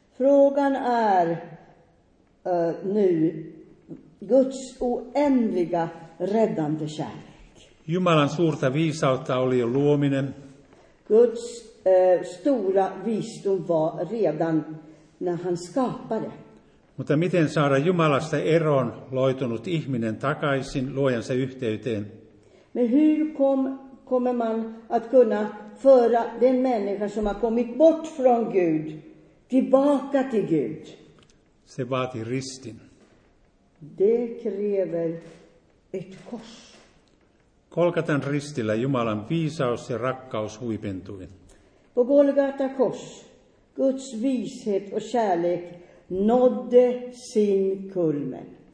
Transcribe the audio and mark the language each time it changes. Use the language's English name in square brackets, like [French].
[Swedish] Frågan är nu Guds oändliga räddande kärlek. [Finnish] Jumalan suurta viisautta oli jo luominen. [Swedish] Guds stora visdom var redan när han skapade. [Finnish] Mutta miten saada Jumalasta eroon loitunut ihminen takaisin luojansa yhteyteen? [Swedish] Men hur kommer man att kunna föra den människa som har kommit bort från Gud tillbaka till Gud? [Finnish] Se vaatii ristin. [Swedish] Det kräver ett kors. [Finnish] Golgatan ristillä Jumalan viisaus ja rakkaus huipentui. [Swedish] På Golgata kors, Guds vishet och kärlek nådde sin kulmen.